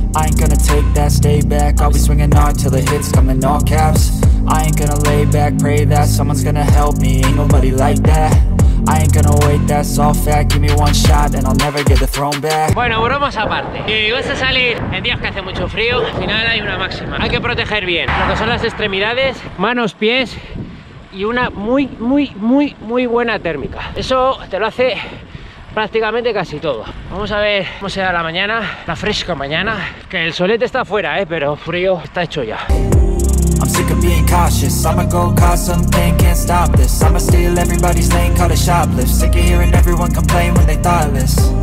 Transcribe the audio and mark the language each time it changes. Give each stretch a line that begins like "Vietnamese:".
English: I ain't gonna take that, stay back, I'll be swinging hard till the hits come in all caps. I ain't gonna lay back, pray that someone's gonna help me, ain't nobody like that. I ain't gonna wait, that's all fact, give me one shot and I'll never get the throne back.
Spanish: Bueno, bromas aparte, si vas a salir en días que hace mucho frío, al final hay una máxima. Hay que proteger bien lo que son las extremidades, manos, pies y una muy, muy, muy, muy buena térmica. Eso te lo hace prácticamente casi todo. Vamos a ver cómo se da la mañana, la fresca mañana. Que el solete está afuera, pero frío está hecho ya.
English: I'm sick of being cautious, I'ma go cause something, can't stop this. I'ma steal everybody's lane, call it shoplift. Sick of hearing everyone complain when they thoughtless.